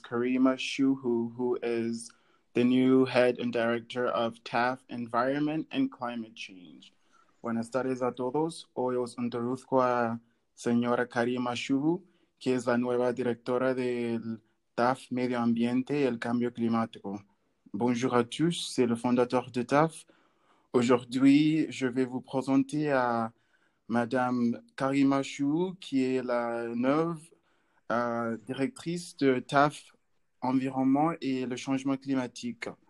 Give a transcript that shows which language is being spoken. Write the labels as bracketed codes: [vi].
[en] Karima Shuhu, who is the new head and director of TAF Environment and Climate Change. [es] Buenas tardes a todos. Hoy os introduzco a señora Karima Shuhu, que es la nueva directora del TAF Medio Ambiente y el Cambio Climático. [fr] Bonjour à tous, c'est le fondateur de TAF. Aujourd'hui, je vais vous présenter à Madame Karima Shuhu, qui est la neuve directrice de TAF Environnement et le Changement Climatique.